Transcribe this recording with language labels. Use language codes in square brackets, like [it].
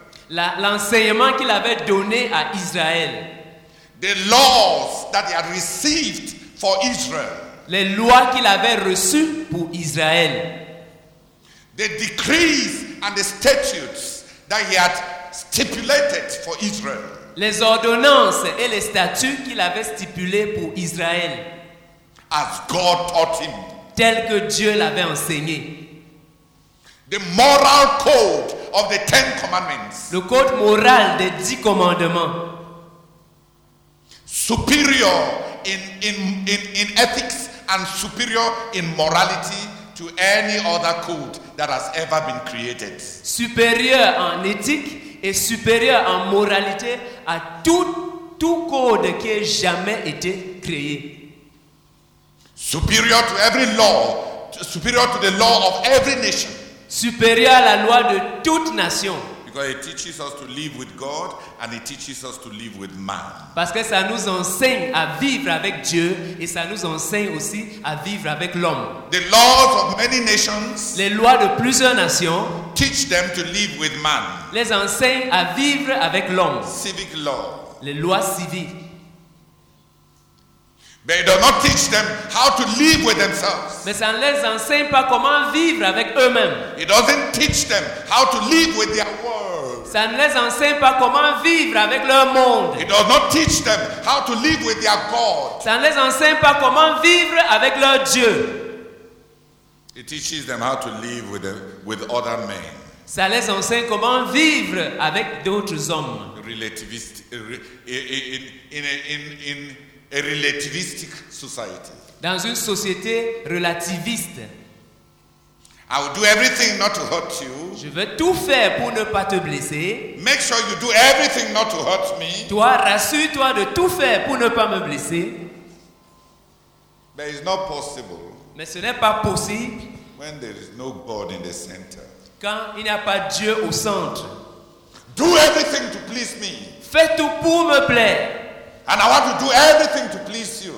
[fr] L'enseignement qu'il avait donné à Israël. [en] The laws that he had received for Israel. [fr] Les lois qu'il avait reçues pour Israël. [en] The decrees and the statutes that he had stipulated for Israel. [fr] Les ordonnances et les statuts qu'il avait stipulés pour Israël. [en] As God taught him. [fr] Tel que Dieu l'avait enseigné. [en] The moral code of the Ten Commandments. [fr] Le code moral des 10 commandements. [en] Superior in ethics and superior in morality to any other code that has ever been created. [fr] Supérieur en éthique et supérieur en moralité à tout code qui ait jamais été créé. [en] Superior to every law, superior to the law of every nation. [fr] Supérieur à la loi de toute nation. [en] Because it teaches us to live with God and it teaches us to live with man. [fr] Parce que ça nous enseigne à vivre avec Dieu et ça nous enseigne aussi à vivre avec l'homme. [en] The laws of many nations, [fr] les lois de plusieurs nations, [en] teach them to live with man. [fr] Les enseigne à vivre avec l'homme. [en] Civic law, [fr] les lois civiles. [en] But it does not teach them how to live with themselves. [fr] Mais ça ne les enseigne pas comment vivre avec eux-mêmes. [en] It doesn't teach them how to live with their world. [fr] Ça ne les enseigne pas comment vivre avec leur monde. [en] It does not teach them how to live with their God. [fr] Ça ne les enseigne pas comment vivre avec leur Dieu. [en] It teaches them how to live with other men. [fr] Ça les enseigne comment vivre avec d'autres hommes. [en] Relativist in a relativistic society. [fr] Dans une société relativiste. [en] I will do everything not to hurt you. [fr] Je vais tout faire pour ne pas te blesser. [en] Make sure you do everything not to hurt me. [fr] Toi, rassure-toi de tout faire pour ne pas me blesser. [en] But it's not possible. [fr] Mais ce n'est pas possible. [en] When there is no God in the center. [fr] Quand il n'y a pas Dieu au centre. [en] Do everything to please me. [fr] Fais tout pour me plaire. [en] And I want to do everything to please you.